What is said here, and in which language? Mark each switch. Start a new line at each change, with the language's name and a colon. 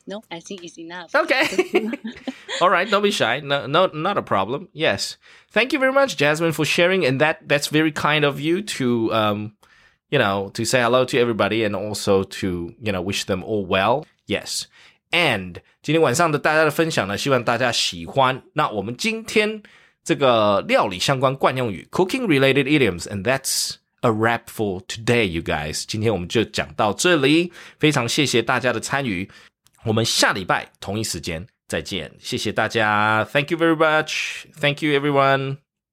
English: I think it's enough. Okay. All right. Don't be shy. No, not a problem. Yes. Thank you very much, Jasmine, for sharing. And that's very kind of you to, you know, to say hello to everybody and also to, you know, wish them all well. Yes.
Chinese: And 今天晚上的大家的分享呢，希望大家喜欢。那我们今天这个料理相关惯用语
English: cooking related idioms, and that's a wrap for today, you guys.
Chinese: 今天我们就讲到这里，非常谢谢大家的参与，我们下礼拜同一时间再见，谢谢大家。
English: Thank you very much. Thank you, everyone.